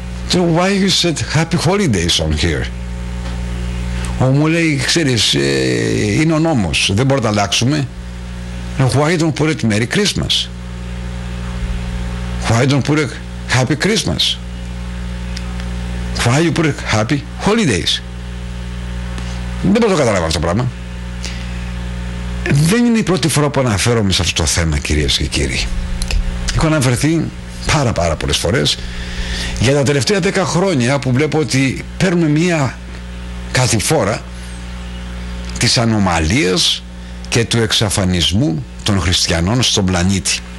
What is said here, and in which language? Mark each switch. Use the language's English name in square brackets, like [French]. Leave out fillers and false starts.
[English] So why you said Happy Holidays on here? [Greek] Μου λέει, ξέρεις, είναι ο νόμος, δεν μπορούμε να αλλάξουμε. [English] Why don't put it Merry Christmas? Why don't put it Happy Christmas? Why you put it Happy Holidays? [Greek] Δεν μπορώ να το καταλάβω αυτό το πράγμα. Δεν είναι η πρώτη φορά που αναφέρομαι σε αυτό το θέμα, κυρίες και κύριοι. Έχω αναφερθεί πάρα πολλές φορές για τα τελευταία 10 χρόνια που βλέπω ότι παίρνουμε μία κατηφόρα της ανομαλίας και του εξαφανισμού των χριστιανών στον πλανήτη.